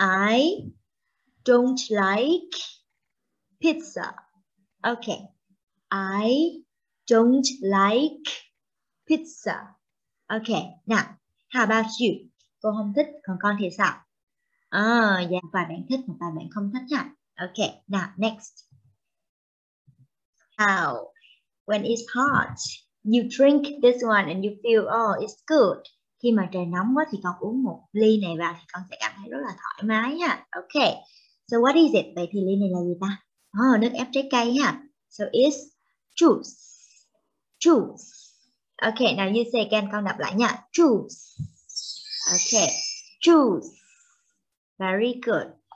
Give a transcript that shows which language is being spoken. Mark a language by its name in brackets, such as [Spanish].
[English] I don't like pizza. Okay, I don't like pizza. Okay, now, how about you? [Vietnamese] Cô không thích, còn con thì sao? Yeah, vài bạn thích, một vài bạn không thích nha. [English] Okay, now, next. How? When it's hot, you drink this one and you feel, it's good. [Vietnamese] Khi mà trời nóng quá thì con uống một ly này vào thì con sẽ cảm thấy rất là thoải mái nha. [English] Okay, so what is it? [Vietnamese] Vậy thì ly này là gì ta? Nước ép trái cây ha. [English] So it's juice. Juice. Okay, now you say again, [Vietnamese] con đọc lại nha. [English] Juice. Okay, juice. Very good.